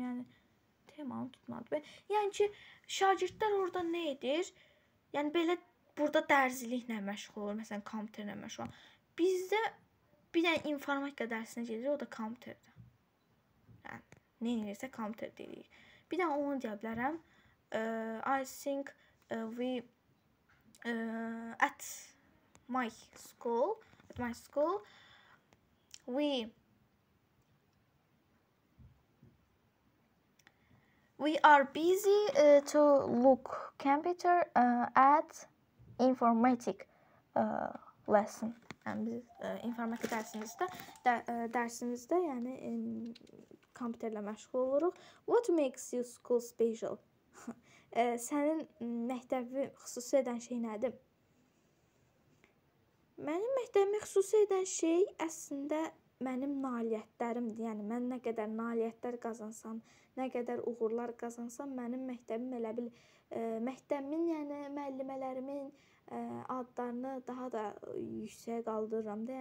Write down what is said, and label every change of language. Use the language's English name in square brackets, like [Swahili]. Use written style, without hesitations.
[Azerbaijani] Yəni temanı tutmadı. Yəni ki şagirdlər orada nə edir? Yəni belə burada dərziliklə məşğul olur, məsələn kompüterlə məşğul olur. Bizdə bir dənə informatika dərsinə gedir, o da kompüterdə. Yəni nə edirsə kompüter deyirik. Bir dənə onu deyə bilərəm. [English] I think we at my school, we are busy to look computer at informatic lesson. [Azerbaijani] Yəni biz informatik dərsimizdə dərsimizdə yəni kompüterlə məşğul oluruq. [English] What makes your school special? [Azerbaijani] sənin məktəbi xüsusi edən şey nədir? Mənim məktəbimi xüsusi edən şey əslində mənim nailiyyətlərimdir. Yəni mən nə qədər nailiyyətlər qazansam, nə qədər uğurlar qazansam, mənim məktəbim elə bil məktəbimin, yəni müəllimələrimin adlarını daha da yüksəyə qaldırıram da.